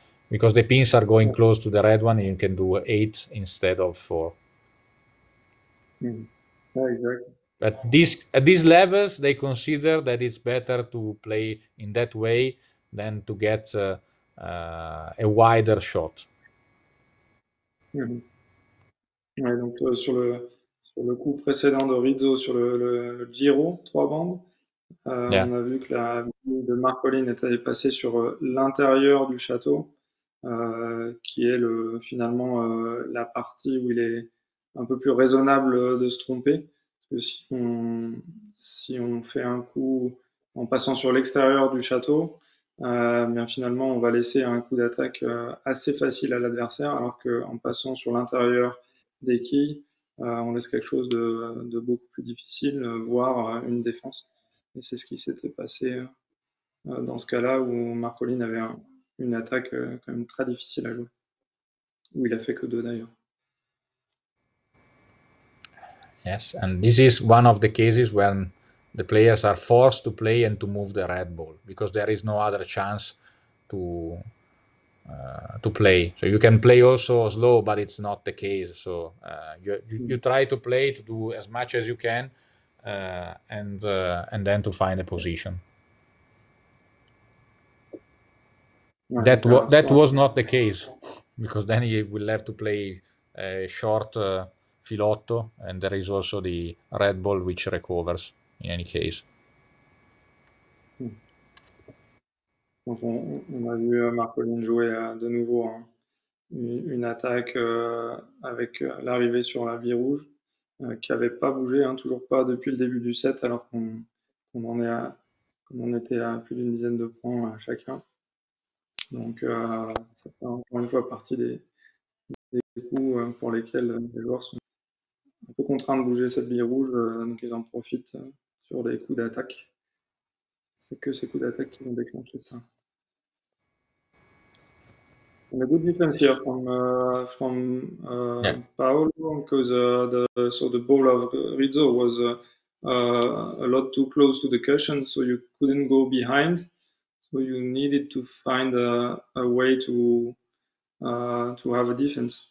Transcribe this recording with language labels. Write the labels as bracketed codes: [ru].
[en] Because the pins are going close to the red one, and you can do 8 instead of 4. Mm. Yeah, exactly. But at these levels, they consider that it's better to play in that way than to get a wider shot. Mm-hmm. [fr] Ouais, donc sur le coup précédent de Rizzo sur le Giro 3 bandes, yeah. On a vu que la ligne de Marcolin était passée sur l'intérieur du château. Qui est finalement la partie où il est un peu plus raisonnable de se tromper. Parce que si on fait un coup en passant sur l'extérieur du château, bien finalement on va laisser un coup d'attaque assez facile à l'adversaire, alors qu'en passant sur l'intérieur des quilles, on laisse quelque chose de beaucoup plus difficile, voire une défense. Et c'est ce qui s'était passé dans ce cas-là où Marcolin avait une attaque quand même très difficile à jouer, où il a fait que 2 d'ailleurs. [en] Yes, and this is one of the cases when the players are forced to play and to move the red ball because there is no other chance to play. So you can play also slow, but it's not the case. So you try to play to do as much as you can and then to find a position. That was not the case, because then he will have to play a short filotto, and there is also the red ball which recovers in any case. [fr] Donc on a vu Marcolin jouer de nouveau une attaque avec l'arrivée sur la bille rouge qui n'avait pas bougé, hein, toujours pas depuis le début du set, alors qu'on était à plus d'une dizaine de points chacun. Donc, ça fait encore une fois partie des coups pour lesquels les joueurs sont un peu contraints de bouger cette bille rouge. Donc, ils en profitent sur les coups d'attaque. C'est que ces coups d'attaque qui vont déclencher ça. [en] And a good difference here from Paolo, because the ball of Rizzo was a lot too close to the cushion, so you couldn't go behind. So you needed to find a way to have a defense.